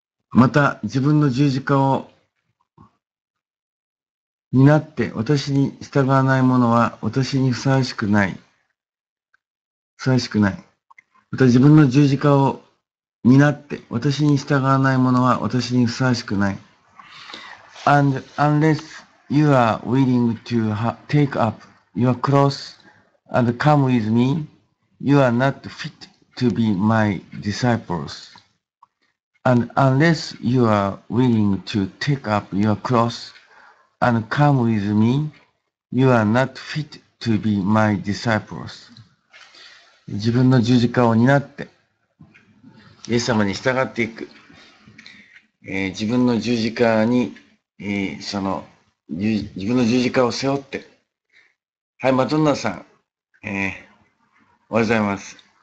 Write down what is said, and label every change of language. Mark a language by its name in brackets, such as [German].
[Japanese] また自分の十字架を担って私に従わないものは私にふさわしくない。ふさわしくない。また自分の十字架を担って私に従わないものは私にふさわしくない。 [English] And unless you are willing to take up your cross and come with me, you are not fit to be my disciples. And unless you are willing to take up your cross and come with me, you are not fit to be my disciples. [Japanese] 自分の十字架を担って、イエス様に従っていく。自分の十字架に、自分の十字架を背負って。はい、マドンナさん、おはようございます。